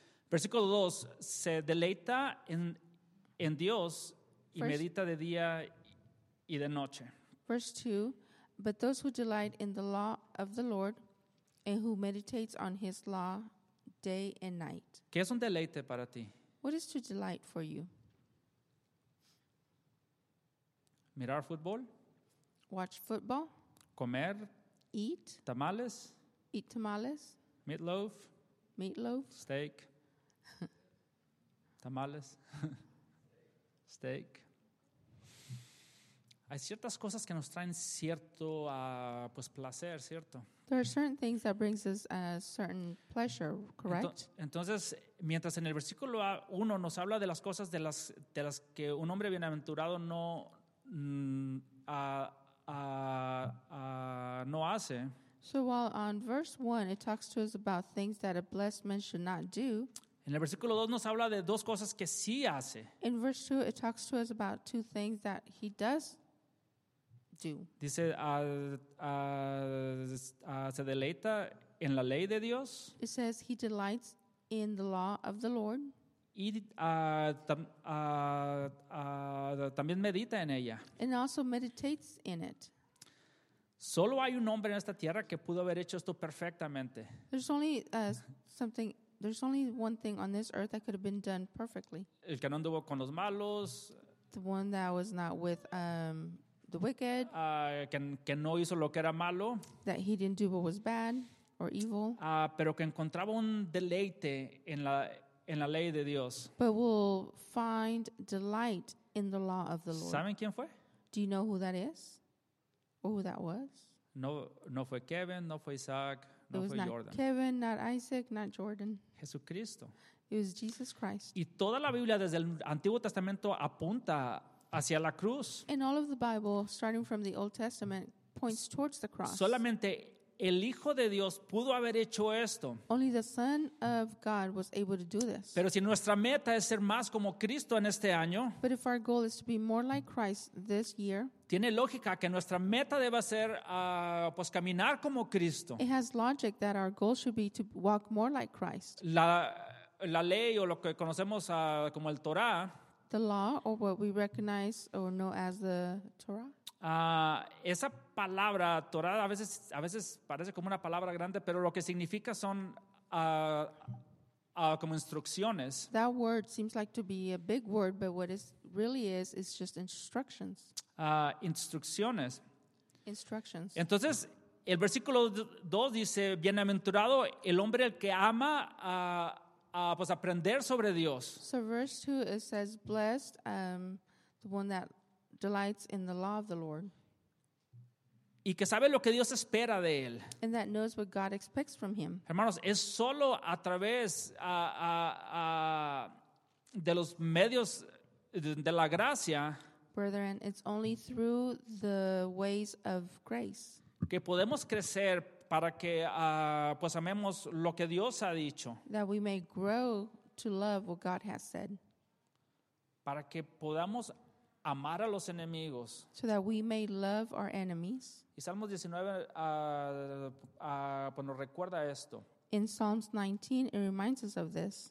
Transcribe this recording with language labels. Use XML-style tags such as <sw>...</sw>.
<es>Versículo 2, se deleita en Dios y medita de día y de noche.</es> <en>Verse 2, but those who delight in the law of the Lord and who meditates on his law day and night.</en> <es>¿Qué es un deleite para ti?</es> <en>What is to delight for you?</en> <es>Mirar fútbol.</es> <en>Watch football.</en> <es>Comer.</es> <en>Eat.</en> <es>Tamales.</es> <en>Eat tamales. Meatloaf. Meatloaf. Steak. Tamales. Steak.</en> <es>Hay ciertas cosas que nos traen cierto placer, ¿cierto?</es> <en>There are certain things that brings us a certain pleasure, correct?</en> <es>Entonces, mientras en el versículo 1 nos habla de las cosas de las que un hombre bienaventurado no hace.</es> <en>So while on verse 1 it talks to us about things that a blessed man should not do.</en> <es>En el versículo 2 nos habla de dos cosas que sí hace.</es> <en>In verse 2 it talks to us about two things that he does do.</en> <es>Dice se deleita en la ley de Dios.</es> <en>It says he delights in the law of the Lord.</en> <es>Y también medita en ella.</es> <en>And also meditates in it.</en> <es>Solo hay un hombre en esta tierra que pudo haber hecho esto perfectamente.</es> <en>There's only one thing on this earth that could have been done perfectly.</en> <es>El que no anduvo con los malos.</es> <en>The one that was not with the wicked.</en> <es>Que no hizo lo que era malo.</es> <en>That he didn't do what was bad or evil.</en> <es>Pero que encontraba un deleite en la ley de Dios.</es> <en>But will find delight in the law of the Lord.</en> <es>¿Saben quién fue?</es> <en>Do you know who that is? Or who that was?</en> <es>No fue Kevin, no fue Isaac, no fue Jordan.</es> <en>It was not Kevin, not Isaac, not Jordan.</en> <es>Jesucristo.</es> <en>It was Jesus Christ.</en> <es>Y toda la Biblia desde el Antiguo Testamento apunta hacia la cruz.</es> <en>And all of the Bible, starting from the Old Testament, points towards the cross.</en> <es>Solamente el Hijo de Dios pudo haber hecho esto.</es> <en>Only the Son of God was able to do this.</en> <es>Pero si nuestra meta es ser más como Cristo en este año,</es> <en>but if our goal is to be more like Christ this year,</en> <es>tiene lógica que nuestra meta deba ser caminar como Cristo.</es> <en>It has logic that our goal should be to walk more like Christ.</en> <es>La ley o lo que conocemos como el Torah,</es> <en>the law or what we recognize or know as the Torah.</en> <es>Esa palabra Torah a veces parece como una palabra grande, pero lo que significa son como instrucciones.</es> <en>That word seems like to be a big word, but what it really is just instructions.</en> <es>Instrucciones.</es> <en>Instructions.</en> <es>Entonces, el versículo 2 dice, bienaventurado el hombre el que ama aprender sobre Dios.</es> <en>So verse 2 it says blessed the one that delights in the law of the Lord.</en> <es>Y que sabe lo que Dios espera de él.</es> <en>And that knows what God expects from him.</en> <es>Hermanos, es solo a través de los medios de la gracia.</es> <en>Brethren, it's only through the ways of grace.</en> <es>Que podemos crecer para que amemos lo que Dios ha dicho.</es> <en>That we may grow to love what God has said.</en> <es>Para que podamos amar a los enemigos.</es> <en>So that we may love our enemies.</en> <es>Y Salmos 19 nos recuerda esto.</es> <en>In Psalms 19, it reminds us of this.</en>